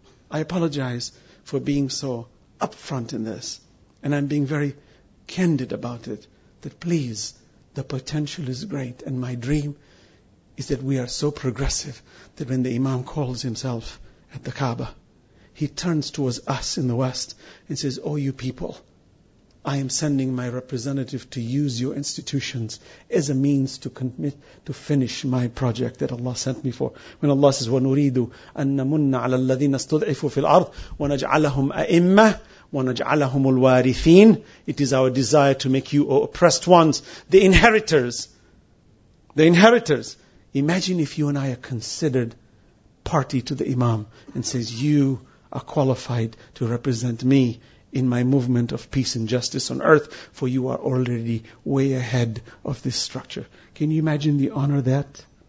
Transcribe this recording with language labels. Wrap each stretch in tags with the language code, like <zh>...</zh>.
<en>I apologize for being so upfront in this, and I'm being very candid about it, that please, the potential is great, and my dream is that we are so progressive that when the Imam calls himself at the Kaaba, he turns towards us in the West and says, oh, you people, I am sending my representative to use your institutions as a means to commit to finish my project that Allah sent me for. When Allah says,</en> <ar>وَنُرِيدُ أَنَّ مُنَّ عَلَى الَّذِينَ اسْتُضْعِفُوا فِي الْأَرْضِ وَنَجْعَلَهُمْ أَئِمَّةِ وَنَجْعَلَهُمُ الْوَارِثِينَ.</ar> <en>It is our desire to make you, O oppressed ones, the inheritors. The inheritors. Imagine if you and I are considered party to the Imam and says, you are qualified to represent me in my movement of peace and justice on earth, for you are already way ahead of this structure. Can you imagine the honor that</en>